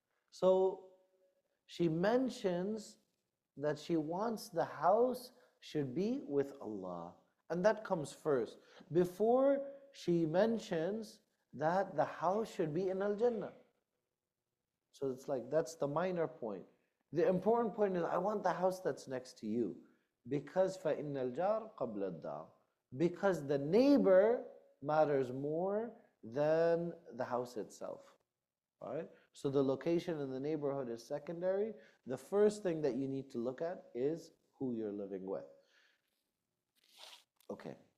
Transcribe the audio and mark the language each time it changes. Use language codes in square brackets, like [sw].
[en] So she mentions that she wants the house should be with Allah. And that comes first. Before she mentions that the house should be in Al-Jannah. So it's like, that's the minor point. The important point is, I want the house that's next to you. Because [ar] فَإِنَّ الْجَارِ قَبْلَ الدَّارِ. [en] Because the neighbor matters more than the house itself, right? So the location in the neighborhood is secondary. The first thing that you need to look at is who you're living with. Okay.